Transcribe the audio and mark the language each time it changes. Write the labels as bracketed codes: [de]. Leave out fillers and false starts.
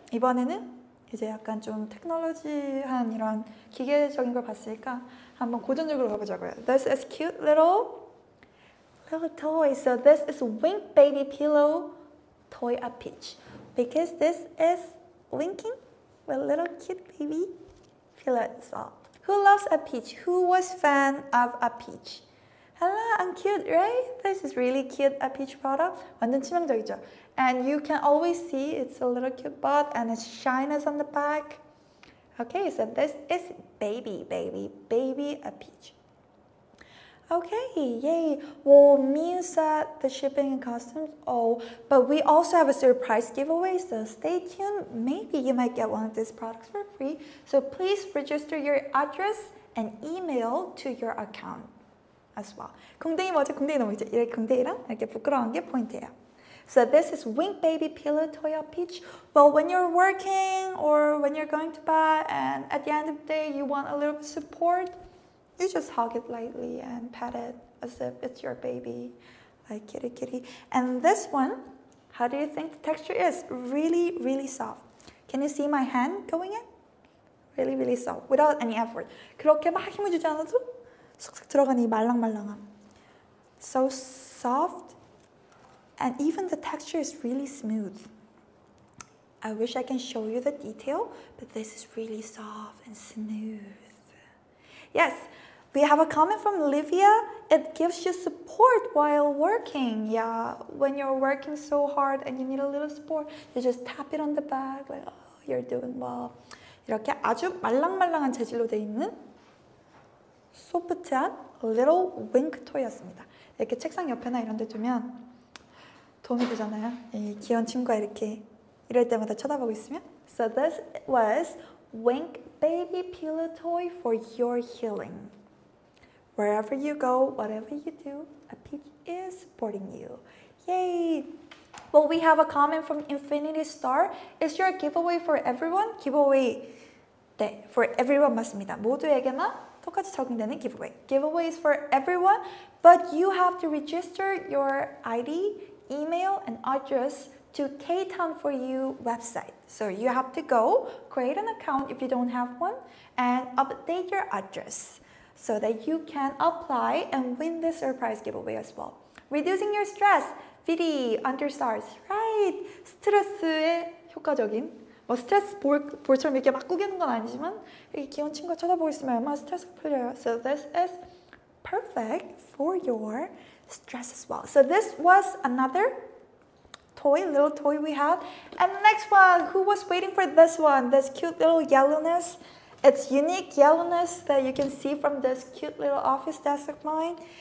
[ko] 이번에는 이제 약간 좀 테크놀로지한 이런 기계적인 걸 봤으니까 한번 고전적으로 가보자고요. [en] This is cute little toy. So this is wink baby pillow toy APEACH. Because this is winking with little cute baby pillow as well. Who loves APEACH? Who was fan of APEACH? Hello, I'm cute, right? This is really cute APEACH product. [ko] 완전 치명적이죠? [en] And you can always see it's a little cute butt and it's shyness on the back. Okay, so this is baby APEACH. Okay, yay. Well, Mew said the shipping and customs. Oh, but we also have a surprise giveaway, so stay tuned. Maybe you might get one of these products for free. So please register your address and email to your account. As well. [ko] 궁뎅이 맞아, 궁뎅이 너무 있죠? 이렇게 궁뎅이랑 이렇게 부끄러운 게 포인트예요. [en] So this is Wink Baby Pillow Toy APEACH. Well, when you're working or when you're going to bed and at the end of the day you want a little bit of support, you just hug it lightly and pat it as if it's your baby. Like kitty kitty. And this one, how do you think the texture is? Really, really soft. Can you see my hand going in? Really, really soft, without any effort. 그렇게 막 힘을 주지 않아도 쏙쏙 들어가는 이 말랑말랑함. So soft, and even the texture is really smooth. I wish I can show you the detail, but this is really soft and smooth. Yes, we have a comment from Livia. It gives you support while working. Yeah, when you're working so hard and you need a little support, you just tap it on the back, like, oh, you're doing well. [ko] 이렇게 아주 말랑말랑한 재질로 되어 있는 소프트한 [en] little wink toy [ko] 였습니다. 이렇게 책상 옆에나 이런 데 두면 도움이 되잖아요. 이 귀여운 친구가 이렇게 이럴 때마다 쳐다보고 있으면. [en] So this was wink baby pillow toy for your healing. Wherever you go, whatever you do, a peach is supporting you. Yay! Well, we have a comment from Infinity Star. Is your giveaway for everyone? Giveaway, 네, for everyone [ko] 맞습니다. 모두에게나 똑같이 적용되는 giveaway. [en] Giveaway is for everyone, but you have to register your ID, email, and address to Ktown4u website. So you have to go create an account if you don't have one and update your address so that you can apply and win this surprise giveaway as well. Reducing your stress. VD, under stars, right? [ko] 스트레스에 효과적인, 뭐 스트레스 볼처럼 이렇게 막 꾸기는 건 아니지만 이렇게 귀여운 친구가 쳐다보고 있으면 아마 스트레스가 풀려요. [en] So this is perfect for your stress as well. So this was another toy, little toy we had. And the next one, who was waiting for this one? This cute little yellowness. It's unique yellowness that you can see from this cute little office desk of mine.